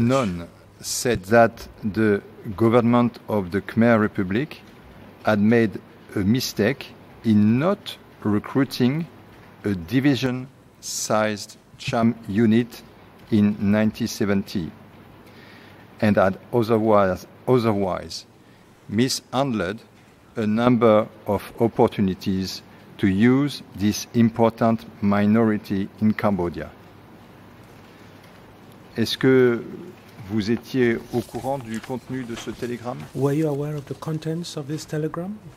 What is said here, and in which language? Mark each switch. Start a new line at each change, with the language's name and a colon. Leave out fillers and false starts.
English: Non said that the government of the Khmer Republic had made a mistake in not recruiting a division-sized Cham unit in 1970 and had otherwise mishandled a number of opportunities to use this important minority in Cambodia.
French: Est-ce que vous étiez au courant du contenu de ce télégramme?
English: Were you aware of the contents of this telegram?